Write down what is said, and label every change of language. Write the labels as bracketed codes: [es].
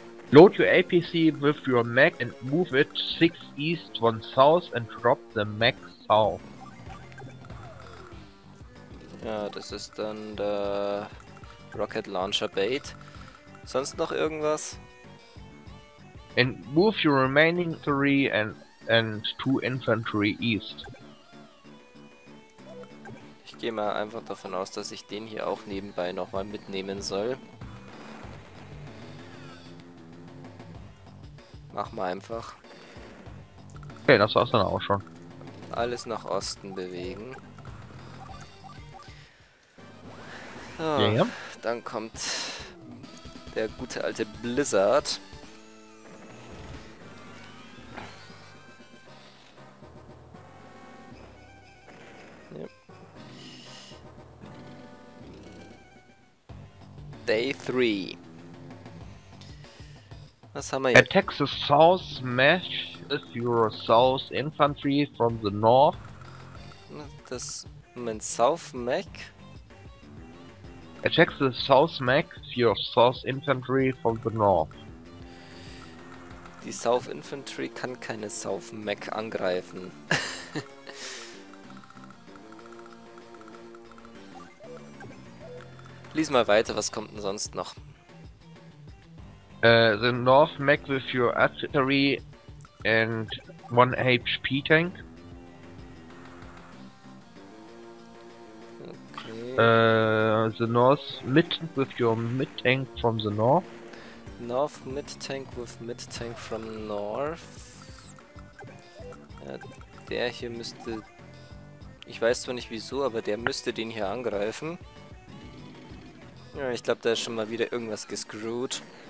[en] Load your APC with your mech and move it 6 east, 1 south and drop the mech south. [de] Ja, das ist dann der Rocket Launcher Bait. Sonst noch irgendwas? [en] And move your remaining 3 and 2 infantry east. [de] Ich gehe mal einfach davon aus, dass ich den hier auch nebenbei nochmal mitnehmen soll. Mach mal einfach. Okay, das war's dann auch schon. Alles nach Osten bewegen. So, ja. Dann kommt der gute alte Blizzard. Ja. [en] Day 3. [de] Was haben wir hier? [en] Attack the south mesh with your south infantry from the north. [de] Das meint south mech. [en] Attack the south mech with your south infantry from the north. [de] Die south infantry kann keine south mech angreifen. Lies mal weiter, was kommt denn sonst noch? [en] The North Mech with your artillery and 1 HP tank. Okay. The North Mid with your mid tank from the north. North mid tank with mid tank from north. [de] Der hier müsste. Ich weiß zwar nicht wieso, aber der müsste den hier angreifen. Ja, ich glaube, da ist schon mal wieder irgendwas gescrewt.